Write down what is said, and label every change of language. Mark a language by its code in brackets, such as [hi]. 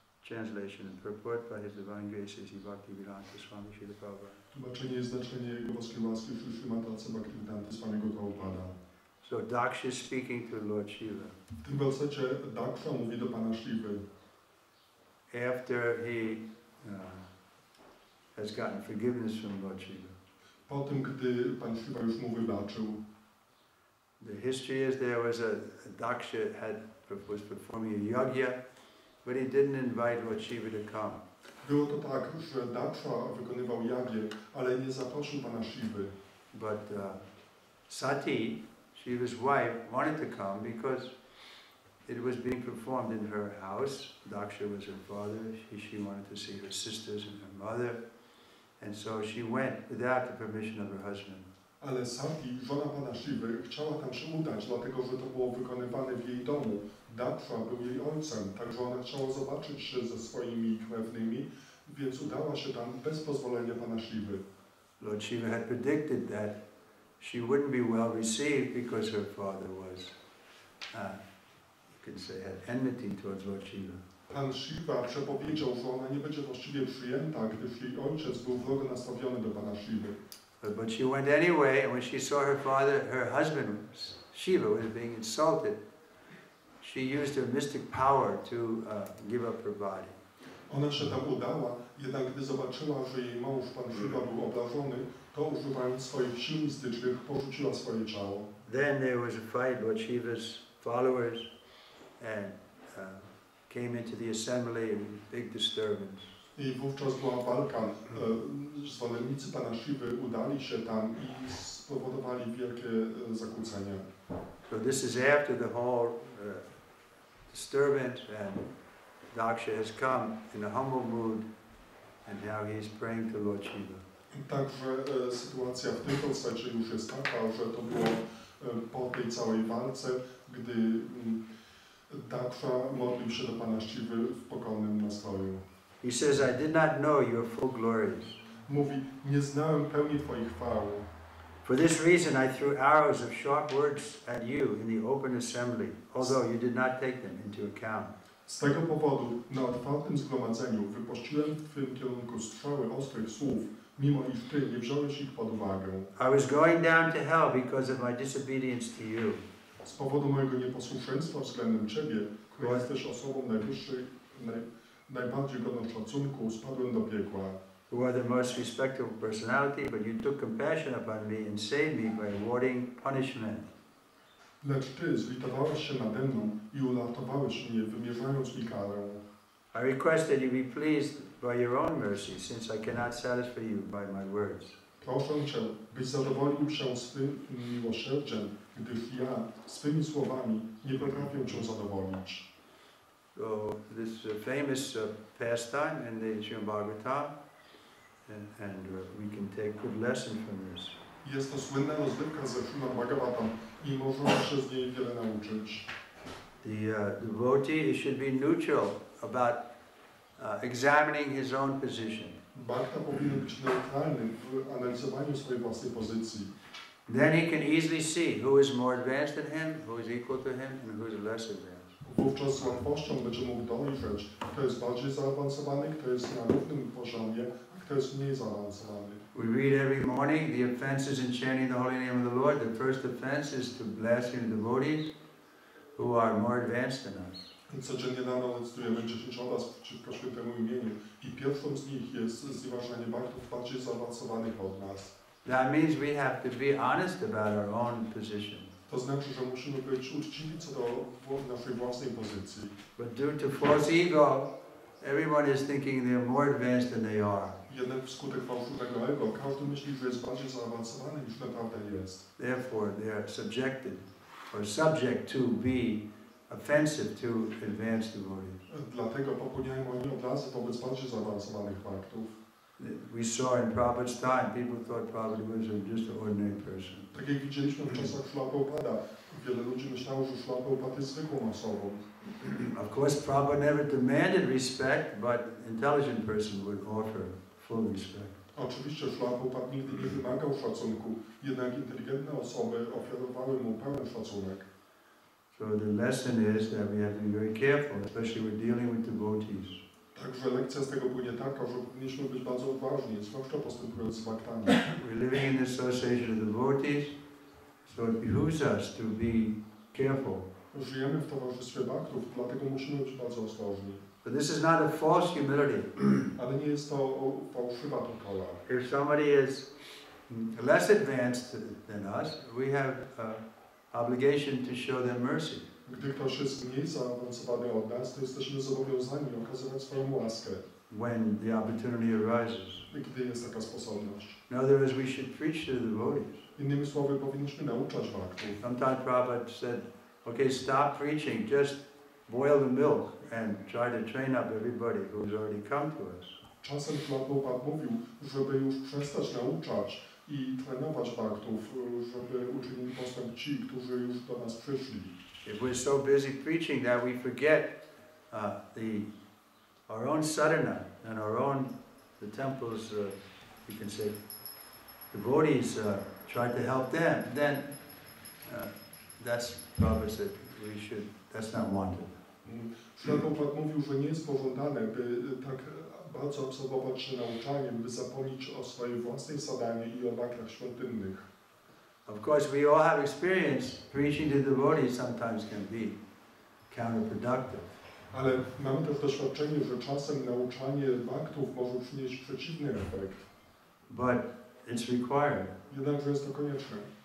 [en] Translation and purport by His Divine Grace is Bhaktivedanta Swami Srila Prabhupada. [pl] Tłumaczenie i znaczenie Jego boskiej łaski przy Śrimata Bhaktivedanta Swami Prabhupada. [en] So Daksha is speaking to Lord Shiva. [pl] W tym wersecie Daksha mówi do Pana Shiva. [en] After he has gotten forgiveness from Lord Shiva. [pl] Po tym, gdy Pan Shiva już mu wybaczył. [en] The history is there was a Daksha had was performing a yajna. But he didn't invite Lord Shiva to come. [pl] Było to tak, że Daksha wykonywał jagię, ale nie zaprosił Pana Shivy. [en] But Sati, Shiva's wife, wanted to come because it was being performed in her house. Daksha was her father. She wanted to see her sisters and her mother. And so she went without the permission of her husband. [pl] Ale Sati, żona Pana Shivy, chciała tam się udać, dlatego że to było wykonywane w jej domu. Daksha był jej ojcem, także ona chciała zobaczyć się ze swoimi krewnymi, więc udała się tam bez pozwolenia Pana Shivy. [en] Lord Shiva had predicted that she wouldn't be well received because her father was, you can say, had enmity towards Lord Shiva. [pl] Pan Shiva przepowiedział, że ona nie będzie właściwie przyjęta, gdyż jej ojciec był wrogo nastawiony do Pana Shivy. [en] But she went anyway, and when she saw her father, her husband, Shiva, was being insulted, she used her mystic power to give up her body. [pl] Ona się tam udała, jednak gdy zobaczyła, że jej mąż, Pan Shiva, był obrażony, to używając swoich sił mistycznych, porzuciła swoje ciało. [en] Then there was a fight, Lord Shiva's followers and came into the assembly in big disturbance. [pl] I wówczas była walka. Zwolennicy Pana Shivy udali się tam i spowodowali wielkie zakłócenia. [en] So this is after the whole disturbance, and Daksha has come in a humble mood, and now he is praying to Lord Shiva. [pl] Także sytuacja w tym kontekście już jest taka, że to było po tej całej walce, gdy Daksha modlił się do Pana Shivy w pokornym nastroju. [en] He says, I did not know your full glories. [pl] Mówi, nie znałem pełni twoich chwał. [en] For this reason I threw arrows of sharp words at you in the open assembly, although you did not take them into account. [pl] Z tego powodu na otwartym zgromadzeniu wypuściłem w twym kierunku strzały ostrych słów, mimo iż ty nie wziąłeś ich pod uwagę. [en] I was going down to hell because of my disobedience to you. [pl] Z powodu mojego nieposłuszeństwa względem ciebie, który jesteś osobą najbardziej godną szacunku, spadłem do piekła. [en] Who are the most respectable personality, but you took compassion upon me and saved me by awarding punishment. [pl] Lecz ty zlitowałeś się nade mną i ulatowałeś mnie, wymierzając mi karę. [en] I request that you be pleased by your own mercy, since I cannot satisfy you by my words. [pl] Proszę cię, byś zadowolił się swym miłosierdziem, gdyż ja swymi słowami nie potrafię cię zadowolić. [en] So this is a famous pastime in the Srimad Bhagavatam, and we can take good lesson from this. [pl] Jest to słynna rozrywka ze Srimad Bhagavatam i możemy się z niej wiele nauczyć. [en] The devotee should be neutral about examining his own position. [pl] Bhakta powinien być neutralny w analizowaniu swojej własnej pozycji. [en] Then he can easily see who is more advanced than him, who is equal to him, and who is less advanced. [pl] Wówczas z łatwością będzie mógł dojrzeć, kto jest bardziej zaawansowany, kto jest na równym poziomie, a kto jest mniej zaawansowany. [en] We read every morning the offenses in chanting the holy name of the Lord. The first offense is to blaspheme devotees who are more advanced than us. [pl] Codziennie rano recytujemy dziesięciodła przeciwko świętemu imieniu i pierwszą z nich jest znieważanie bhaktów bardziej zaawansowanych od nas. [en] That means we have to be honest about our own position. [pl] To znaczy, że musimy być uczciwi co do naszej własnej pozycji. [en] But due to false ego, everyone is thinking they're more advanced than they are. [pl] Jednak wskutek fałszywego ego, każdy myśli, że jest bardziej zaawansowany niż naprawdę jest. [en] Therefore, they are subjected or subject to be offensive to advanced devotees. [pl] Dlatego popełniają oni obrazy wobec bardziej zaawansowanych faktów. [en] We saw in Prabhupada's time, people thought Prabhupada was just an ordinary person. [pl] Tak jak widzieliśmy w czasach Śrila Prabhupada, wiele ludzi myślało, że Śrila Prabhupada jest zwykłą osobą. [en] Of course, Prabhupada never demanded respect, but an intelligent person would offer full respect. [pl] Oczywiście Śrila Prabhupada nigdy nie wymagał szacunku, jednak inteligentne osoby ofiarowały mu pełen szacunek. [en] So the lesson is that we have to be very careful, especially when dealing with devotees. [pl] Także lekcja z tego płynie taka, że powinniśmy być bardzo uważni, zwłaszcza postępując z faktami. [en] We're living in the association of devotees, so it behooves us to be careful. [pl] Żyjemy w towarzystwie baktów, dlatego musimy być bardzo ostrożni. [en] But this is not a false humility. [pl] Ale nie jest to fałszywa pokora. [en] If somebody is less advanced than us, we have obligation to show them mercy. [pl] Gdy ktoś jest mniej zaawansowany od nas, to jesteśmy zobowiązani okazywać swoją łaskę. [en] When the opportunity arises. [pl] Gdy jest taka sposobność. [en] In other words, we should preach to the devotees. [pl] Innymi słowy, powinniśmy nauczać baktów. [en] Sometimes Prabhupada said, okay, stop preaching, just boil the milk and try to train up everybody who's already come to us. [pl] Czasem Prabhupada mówił, żeby już przestać nauczać i trenować baktów, żeby uczynili postęp ci, którzy już do nas przyszli. [en] If we're so busy preaching that we forget our own sadhana and our own the temples, you can say devotees try to help them, then that's probably said we should. That's not wanted. [pl] Prabhupada mówił, że nie jest pożądane, by tak bardzo absorbować się nauczaniem, by zapomnieć o swojej własnej sadhanie i o bhaktach świątynnych. [en] Of course, we all have experience. Preaching to the devotees sometimes can be counterproductive. [pl] Ale mamy też doświadczenie, że czasem nauczanie baktów może przynieść przeciwny efekt. [en] But it's required. [pl] Jednakże jest to konieczne.